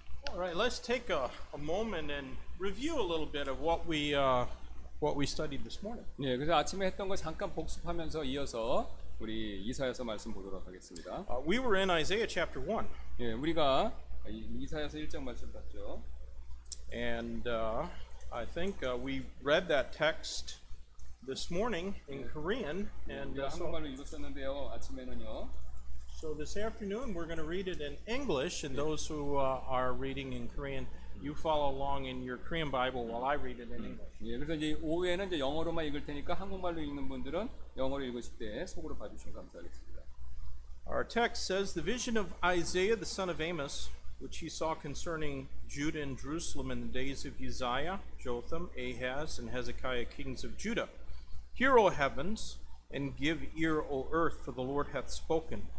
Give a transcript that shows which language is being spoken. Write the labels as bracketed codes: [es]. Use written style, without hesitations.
[en] Alright, let's take a moment and review a little bit of what we studied this morning. [ko] 네, 그래서 아침에 했던 거 잠깐 복습하면서 이어서 우리 이사야서 말씀 보도록 하겠습니다. [en] We were in Isaiah chapter 1. [ko] 예, 우리가 이사야서 1장 말씀 봤죠. [en] And I think we read that text this morning in Korean. [ko] 우리가 한국말로 읽었었는데요, 아침에는요. [en] So this afternoon we're going to read it in English, and those who are reading in Korean, you follow along in your Korean Bible while I read it in English. [ko] 예, 그래서 이제 오후에는 이제 영어로만 읽을 테니까 한국말로 읽는 분들은 영어로 읽으실 때 속으로 봐주시면 감사하겠습니다. [en] Our text says, "The vision of Isaiah the son of Amos, which he saw concerning Judah and Jerusalem in the days of Uzziah, Jotham, Ahaz, and Hezekiah, kings of Judah. Hear, O heavens, and give ear, O earth, for the Lord hath spoken.